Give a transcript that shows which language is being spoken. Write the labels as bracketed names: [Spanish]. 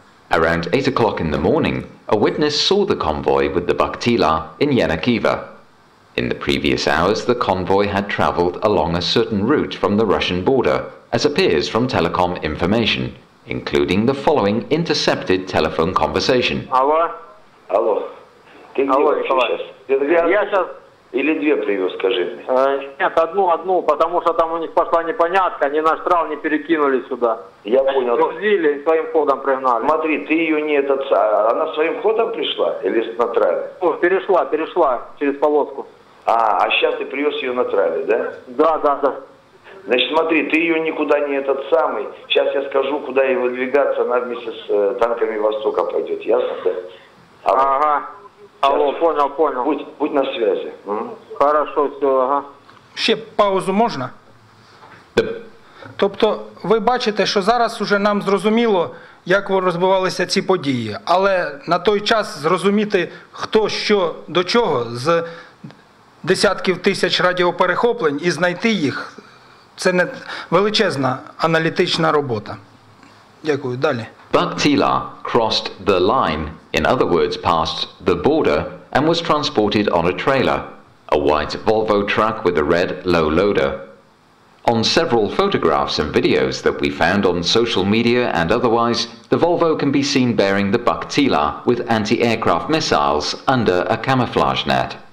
[English] Around 8 o'clock in the morning, a witness saw the convoy with the buck Tila in Yanakiva. In the previous hours, the convoy had traveled along a certain route from the Russian border, as appears from telecom information, including the following intercepted telephone conversation. [Russian] Алло. Алло. Ты где вообще сейчас? Или две привез, скажи мне. Нет, одну, потому что там у них пошла непонятка, они на штраф не перекинули сюда. Я понял. Грузили, своим ходом пригнали. Смотри, ты ее не этот, она своим ходом пришла или на траве? Ну, перешла через полоску. А сейчас ты привез ее на траве, да? Да. Значит, смотри, ты ее никуда не этот самый, сейчас я скажу, куда ей выдвигаться, она вместе с танками Востока пойдет, ясно? Да? Ага. Алло, понял. Будь на связи. Хорошо, все, ага. [Ukrainian] Ще паузу можна? Тобто, ви бачите, що зараз уже нам зрозуміло, як розбивалися ці події. Але на той час зрозуміти, хто що до чого, з десятків тисяч радіоперехоплень, і знайти їх, це не величезна аналітична робота. Дякую, далі. [English] Buck Tila crossed the line, in other words, passed the border, and was transported on a trailer, a white Volvo truck with a red low loader. On several photographs and videos that we found on social media and otherwise, the Volvo can be seen bearing the Buck Tila with anti-aircraft missiles under a camouflage net.